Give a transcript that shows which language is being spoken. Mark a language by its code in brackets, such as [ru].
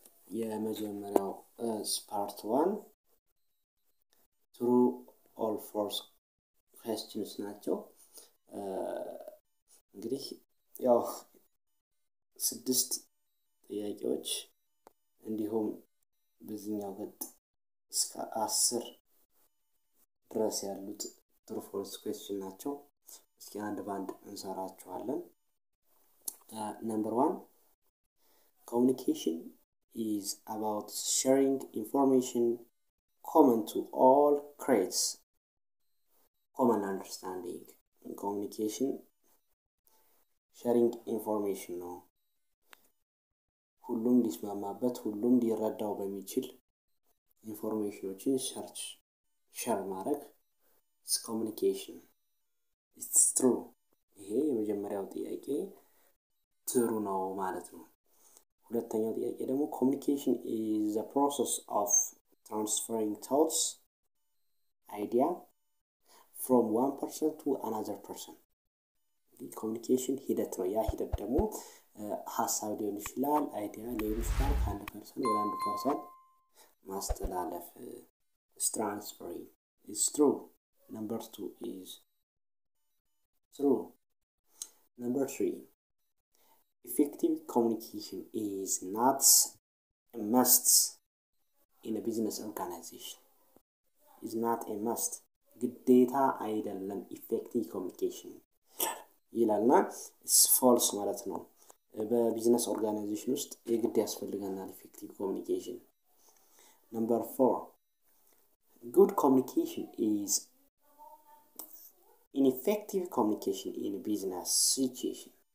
[am] የመጀመሪያው ፓርት 1 [en] true or false questions [am] ናቸው። እንግዲህ ያው 6 ጥያቄዎች እንዲሁም በዚህኛው ግጥ እስከ 10 ድረስ ያሉት [en] true false questions [am] ናቸው። እስኪ አንድ ባንድ እንሰራቸዋለን። [en] Number 1 communication is about sharing information common to all creates common understanding. In communication, sharing information no. [am] ሁሉም ሊስማማበት ሁሉም ሊረዳው በሚችል information share ማድረግ [en] is communication. It's true. [am] ይሄ የመጀመሪያው ጥያቄ true ነው ማለት ነው። ሁለተኛው ጥያቄ ደግሞ [en] communication is a process of transferring thoughts, idea from one person to another person. [am] Communication ሂደት ነው። ያ ሂደት ደግሞ ሀሳብ ሊሆን ይችላል፣ አይዲያ ሊሆን ይችላል፣ ከአንድ ፐርሰን ወደ አንድ ፐርሰን ማስተላለፍ። [en] It's transferring. It's true. Number 2 is true. Number 3. Effective communication is not a must in a business organization. Is not a must. [am] ግዴታ አይደለም effective communication ይላልና [en] it's false [am] ማለት ነው። በbusiness organization ውስጥ የግድ ያስፈልጋል effective communication. [en] Number 4 good communication is ineffective communication in a business situation.